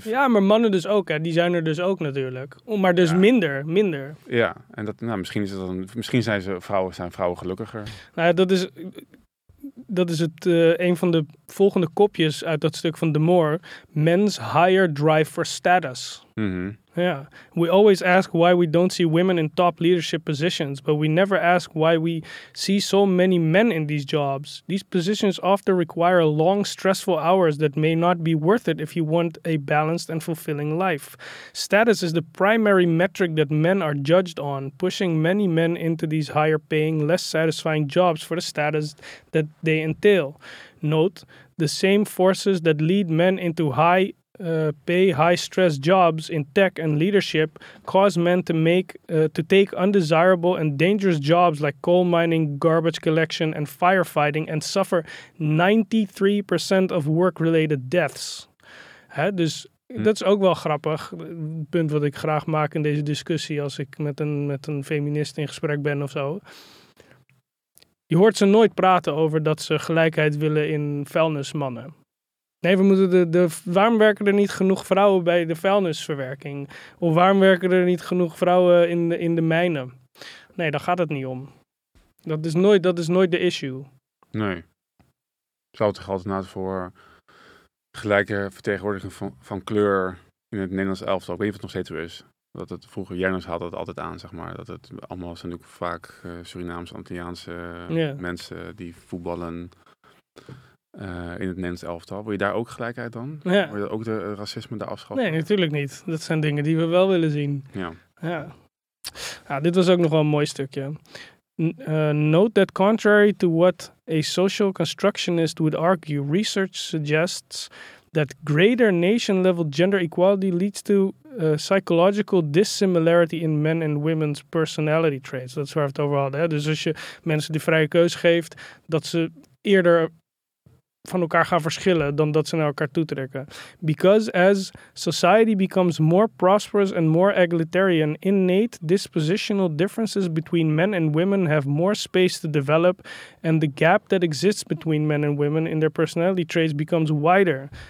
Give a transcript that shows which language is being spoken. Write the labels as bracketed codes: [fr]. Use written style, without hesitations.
[nl] Ja, maar mannen dus ook. Hè. Die zijn er dus ook natuurlijk. Maar dus ja. Minder. Ja, en dat, nou, misschien is dat een, misschien zijn ze vrouwen, zijn vrouwen gelukkiger. Nou ja, dat is... Dat is het een van de volgende kopjes uit dat stuk van De Moor. [en] Men's higher drive for status. Mm-hmm. Yeah. We always ask why we don't see women in top leadership positions, but we never ask why we see so many men in these jobs. These positions often require long, stressful hours that may not be worth it if you want a balanced and fulfilling life. Status is the primary metric that men are judged on, pushing many men into these higher paying, less satisfying jobs for the status that they entail. Note, the same forces that lead men into high pay high-stress jobs in tech and leadership cause men to take undesirable and dangerous jobs like coal mining, garbage collection, and firefighting and suffer 93% of work-related deaths. [nl] Hè, dus dat is ook wel grappig. Het punt wat ik graag maak in deze discussie als ik met een feminist in gesprek ben of zo. Je hoort ze nooit praten over dat ze gelijkheid willen in vuilnismannen. Nee, we moeten waarom werken er niet genoeg vrouwen bij de vuilnisverwerking? Of waarom werken er niet genoeg vrouwen in de mijnen? Nee, daar gaat het niet om. Dat is nooit de issue. Nee. Zou het toch altijd voor gelijke vertegenwoordiging van kleur in het Nederlands elftal? Ik weet niet of het nog steeds zo is. Dat het vroeger, Jernus haalde het altijd aan, zeg maar. Dat het allemaal zijn natuurlijk vaak Surinaamse, Antilliaanse mensen die voetballen. In het Nederlands elftal. Wil je daar ook gelijkheid dan? Ja. Wil je ook de racisme daar afschaffen? Nee, natuurlijk niet. Dat zijn dingen die we wel willen zien. Ja. Ja. Ja, dit was ook nog wel een mooi stukje. [en] Note that contrary to what a social constructionist would argue, research suggests that greater nation-level gender equality leads to psychological dissimilarity in men and women's personality traits. [nl] Dat is waar we het over hadden. Dus als je mensen de vrije keus geeft, dat ze eerder van elkaar gaan verschillen dan dat ze naar elkaar toetrekken. [en] Because as society becomes more prosperous and more egalitarian, innate dispositional differences between men and women have more space to develop, and the gap that exists between men and women in their personality traits becomes wider.